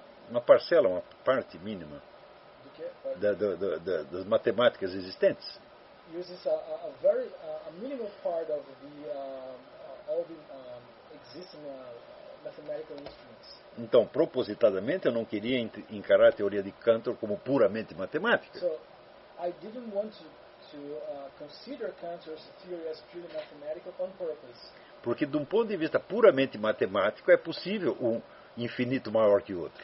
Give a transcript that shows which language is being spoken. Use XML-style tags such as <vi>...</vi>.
<pt>uma parcela, uma parte mínima das matemáticas existentes.</pt> <en>Uses a very a minimal part of the all the existing mathematical instruments.</en> <pt>Então, propositadamente, eu não queria encarar a teoria de Cantor como puramente matemática.</pt> <en>So, I didn't want to consider Cantor's theory as purely mathematical on purpose.</en> <pt>Porque, de um ponto de vista puramente matemático, é possível um infinito maior que o outro.</pt>